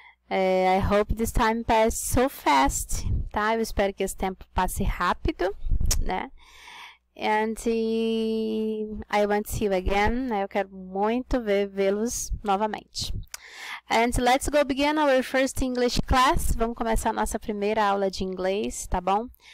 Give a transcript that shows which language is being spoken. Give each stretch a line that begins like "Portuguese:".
English: I hope this time passes so fast, tá?
Portuguese: Eu espero que esse tempo passe rápido, né?
English: I want to see you again. Né?
Portuguese: Eu quero muito vê-los novamente.
English: And let's go begin our first English class.
Portuguese: Vamos começar a nossa primeira aula de inglês, tá bom?